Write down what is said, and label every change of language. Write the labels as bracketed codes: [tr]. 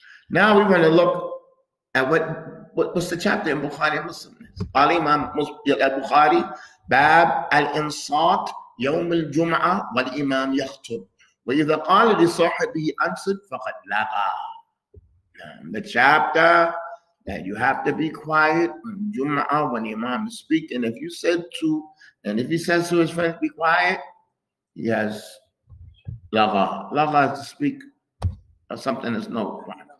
[en] Now we want to look at what's the chapter in Bukhari and Muslim. [ar] قال الإمام البخاري باب الإنصات يوم الجمعة والإمام يخطب. وإذا قال لصاحبه أنصت فقد لغى. [en] The chapter that you have to be quiet on الجمعة when Imam is speaking. And if you said to, and if he says to his friend, be quiet, yes. [ar] لغا [en] to speak of something that's no right.